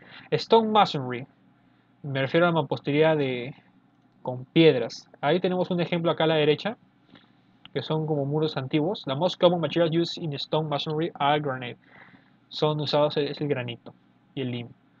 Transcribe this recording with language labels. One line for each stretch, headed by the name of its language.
Spanish: Stone masonry, me refiero a la mampostería de con piedras. Ahí tenemos un ejemplo acá a la derecha, que son como muros antiguos.
English: The most common materials used in stone masonry are granite.
Spanish: Son usados, es el granito y el limo.